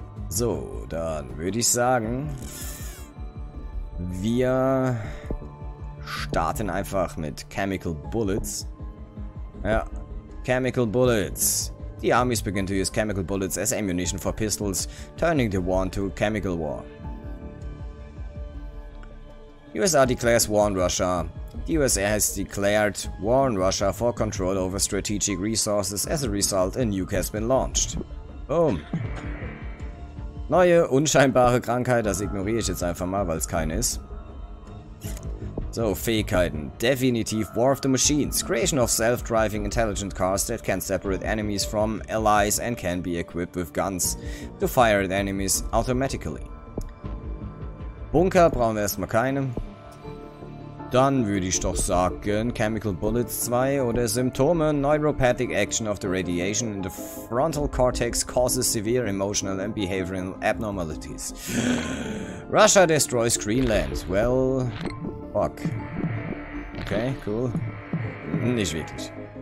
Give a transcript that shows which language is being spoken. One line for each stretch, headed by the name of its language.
German: So, dann würde ich sagen, wir starten einfach mit Chemical Bullets. Ja, Chemical Bullets.
English: The armies begin to use Chemical Bullets as ammunition for pistols, turning the war into a chemical war. USA declares war on Russia. The USA has declared war on Russia for control over strategic resources. As a result, a nuke has been launched. Boom.
German: Neue unscheinbare Krankheit, das ignoriere ich jetzt einfach mal, weil es keine ist. So, Fähigkeiten.
English: Definitive War of the Machines. Creation of self-driving intelligent cars that can separate enemies from allies and can be equipped with guns to fire at enemies automatically.
German: Bunker brauchen wir erstmal keine. Dann würde ich doch sagen, Chemical Bullets 2 oder Symptome.
English: Neuropathic action of the radiation in the frontal cortex causes severe emotional and behavioral abnormalities. Russia destroys Greenland. Well, fuck. Okay, cool.
German: Nicht wirklich.